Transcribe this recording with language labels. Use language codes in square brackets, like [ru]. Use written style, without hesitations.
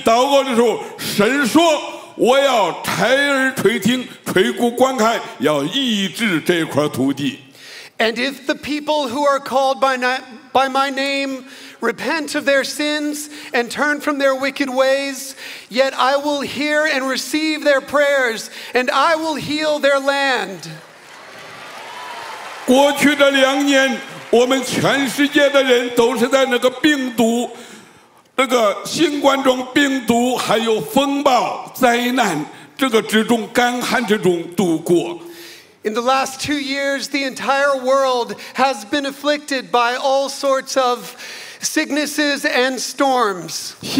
[zh] 但是如果在我名下的百姓可以自卑、悔改、离开自己的罪恶，为这块土地祷告的时候，神说， 我要拆耳垂听，垂顾观看，要医治这块土地。 [en] And if the people who are called by my name repent of their sins and turn from their wicked ways, yet I will hear and receive their prayers, and I will heal their land. [zh] 过去的两年，我们全世界的人都是在那个病毒。 [en] In the last 2 years, the entire world has been afflicted by all sorts of sicknesses and storms.